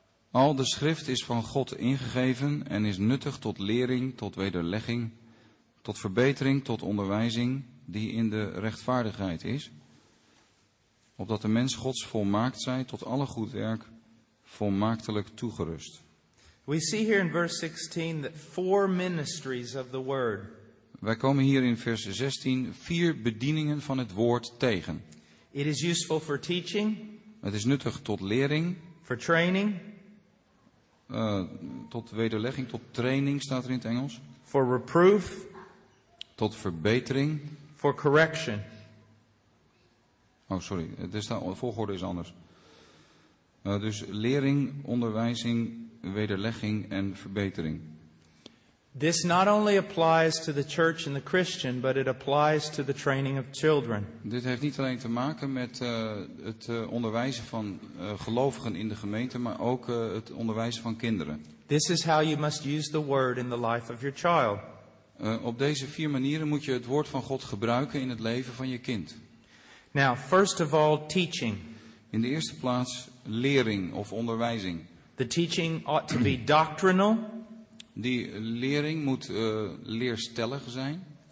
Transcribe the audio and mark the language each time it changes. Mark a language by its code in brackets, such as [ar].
[nl] Al de schrift is van God ingegeven en is nuttig tot lering, tot wederlegging, tot verbetering, tot onderwijzing die in de rechtvaardigheid is. Opdat de mens Gods volmaakt zij tot alle goed werk volmaaktelijk toegerust. [en] We see here in verse 16 that four ministries of the word. [nl] Wij komen hier in vers 16 vier bedieningen van het woord tegen. [en] It is useful for teaching. [nl] Het is nuttig tot lering. [en] For training. [nl] Tot wederlegging, tot training staat er in het Engels. [en] For reproof. [nl] Tot verbetering. [en] For correction. Oh, sorry, [nl] de volgorde is anders. Dus lering, onderwijzing, wederlegging en verbetering. [en] This not only applies to the church and the Christian, but it applies to the training of children. [nl] Dit heeft niet alleen te maken met het onderwijzen van gelovigen in de gemeente, maar ook het onderwijzen van kinderen. [en] This is how you must use the word in the life of your child. [nl] Op deze vier manieren moet je het woord van God gebruiken in het leven van je kind. [en] Now, first of all, teaching. [nl] In de eerste plaats lering of onderwijzing. [en] The teaching ought to be doctrinal. [nl] Die lering moet leerstellig zijn.